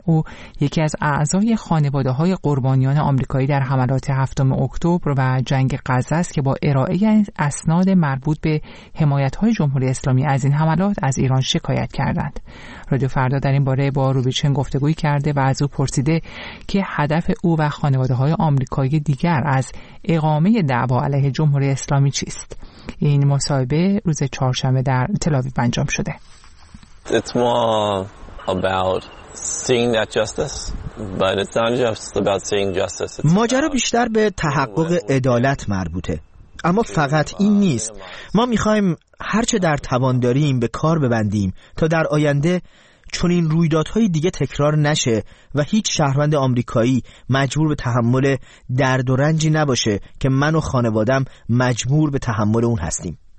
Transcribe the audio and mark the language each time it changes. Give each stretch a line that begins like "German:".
Persian: او یکی از اعضای خانواده‌های قربانیان آمریکایی در حملات 7 اکتبر و جنگ غزه است که با ارائه اسناد مربوط به حمایت‌های جمهوری اسلامی از این حملات از ایران شکایت کردند. رادیو فردا در این باره با روبیچن گفتگوی کرده و از او پرسیده که هدف او و خانواده‌های آمریکایی دیگر از اقامه دعوا علیه جمهوری اسلامی چیست. این مصاحبه روز چهارشنبه در تل آویو انجام شده.
English: It's more about seeing that justice, but it's not just about seeing justice.
Persian: ماجرا بیشتر به تحقق عدالت مربوطه، اما فقط این نیست. ما می‌خوایم هر چه در توان داریم به کار ببندیم تا در آینده چنین رویدادهای دیگه تکرار نشه و هیچ شهروند آمریکایی مجبور به تحمل درد و رنجی نباشه که من و خانواده‌ام مجبور به تحمل اون هستیم.